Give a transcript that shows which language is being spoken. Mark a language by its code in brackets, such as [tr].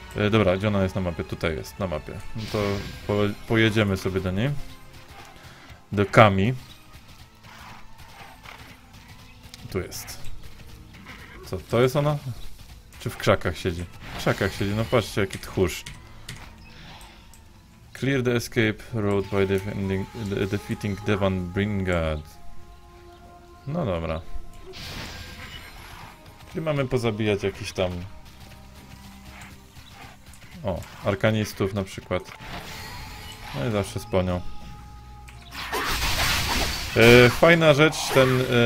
[pl] Dobra, gdzie ona jest na mapie? Tutaj jest, na mapie. No to pojedziemy sobie do niej. Do Kami. Tu jest. Co, to jest ona? Czy w krzakach siedzi? W krzakach siedzi, no patrzcie, jaki tchórz. [en] Clear the escape road by defeating Devon Bringard. [pl] No dobra. Czyli mamy pozabijać jakiś tam... O, arkanistów na przykład. No i zawsze sponią. Fajna rzecz, ten...